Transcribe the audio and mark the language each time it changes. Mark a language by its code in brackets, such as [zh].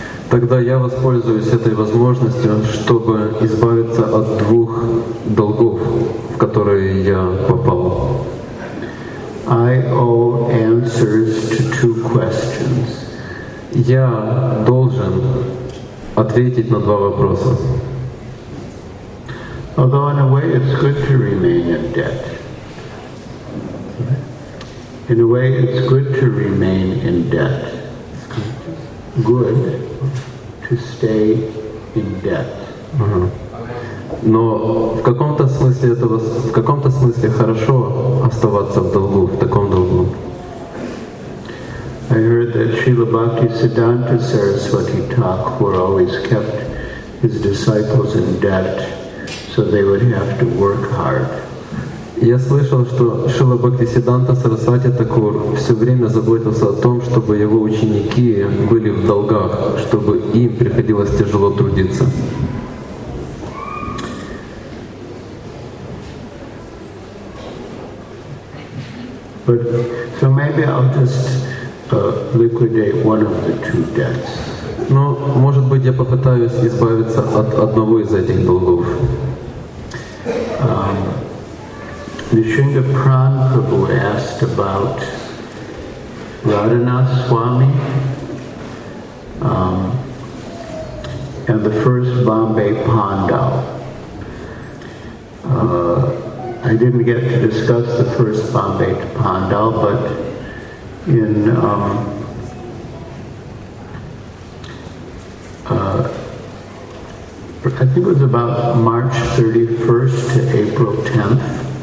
[ru] Тогда я воспользуюсь этой возможностью, чтобы избавиться от двух долгов, в которые я попал. [en] I owe answers to two questions. [ru] Я должен ответить на два вопроса. [en] Although in a way it's good to remain in debt. In a way it's good to remain in debt. good to stay in debt. [ru] Но в каком-то смысле этого, в каком-то смысле хорошо оставаться в долгу, в таком долгу. [en] I heard that Srila Bhakti Siddhanta Saraswati Thakur always kept his disciples in debt, so they would have to work hard. [ru] Я слышал, что Шрила Бхактисиддханта Сарасвати Такур все время заботился о том, чтобы его ученики были в долгах, чтобы им приходилось тяжело трудиться. [en] But, so maybe I'll just liquidate one of the two debts. [ru] Но, может быть, я попытаюсь избавиться от одного из этих долгов. [en] Vishuddha Pran Prabhu asked about Radhanath Swami and the first Bombay Pandav. I didn't get to discuss the first Bombay Pandav, but in I think it was about March 31st to April 10th.